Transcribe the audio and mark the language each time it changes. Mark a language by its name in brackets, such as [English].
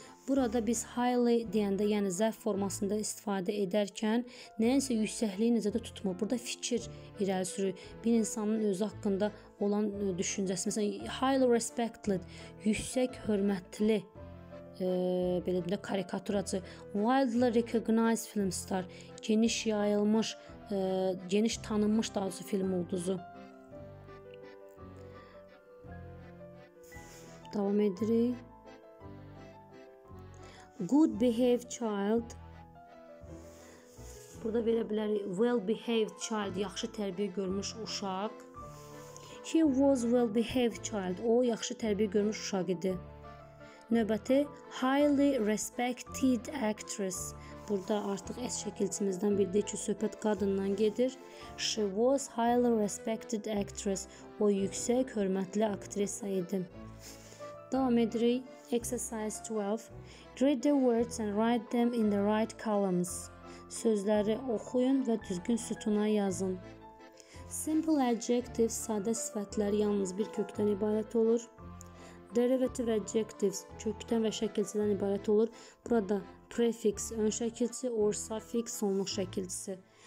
[Azerbaijani] Burada biz highly deyəndə, yəni zərf formasında istifadə edərkən, nəyənsə yüksəkliyi nəzərdə tutmur. Burada fikir irəli sürür. Bir insanın özü haqqında olan düşüncəsi. Məsələn, highly respected, yüksək hörmətli, belə deyə, karikaturacı. [English] Widely recognized film star, [Azerbaijani] geniş yayılmış, geniş tanınmış daha doğrusu film ulduzu. Davam edirik. [English] Good behaved child. [Azerbaijani] Burada verə bilərik. [English] Well behaved child, [Azerbaijani] yaxşı tərbiyə görmüş uşaq. [English] He was well behaved child. [Azerbaijani] O, yaxşı tərbiyə görmüş uşaq idi. Növbəti, [English] highly respected actress. [Azerbaijani] Burada artıq S şəkilçimizdən bildiyi ki, söhbət qadından gedir. [English] She was highly respected actress. [Azerbaijani] O, yüksək hörmətli aktrisa idi. Davam edirik. [English] Exercise 12. Read the words and write them in the right columns. [Azerbaijani] Sözləri oxuyun və düzgün sütuna yazın. Simple adjectives, sadə sifətlər yalnız bir kökdən ibarət olur. Derivative adjectives, kökdən və şəkilçidən ibarət olur. Burada prefix, ön şəkilçi, or suffix, sonluq şəkilçisi.